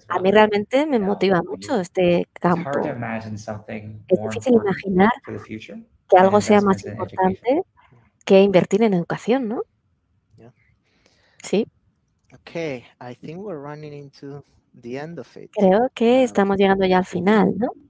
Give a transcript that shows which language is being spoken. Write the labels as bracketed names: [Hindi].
[Spanish] A mí realmente me motiva mucho este campo. Es difícil imaginar que algo sea más importante que invertir en educación, ¿no? Sí. [English] Okay, I think we're running into the end of it. [Spanish] Creo que estamos llegando ya al final, ¿no?